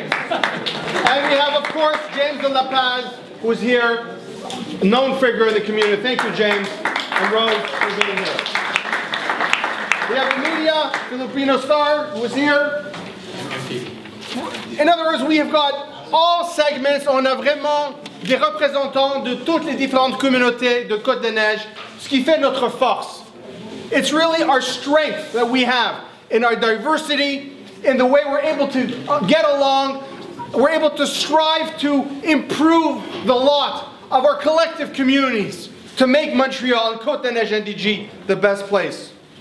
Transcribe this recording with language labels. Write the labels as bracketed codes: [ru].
[en] And we have, of course, James de La Paz, who's here, known figure in the community. Thank you, James. And Rose, for being here. We have a media, Filipino star, who is here. In other words, we have got all segments. [fr] On a vraiment des représentants de toutes les différentes communautés de Côte-des-Neiges, ce qui fait notre force. [en] It's really our strength that we have in our diversity, in the way we're able to get along, we're able to strive to improve the lot of our collective communities to make Montreal and Côte-des-Neiges NDG the best place.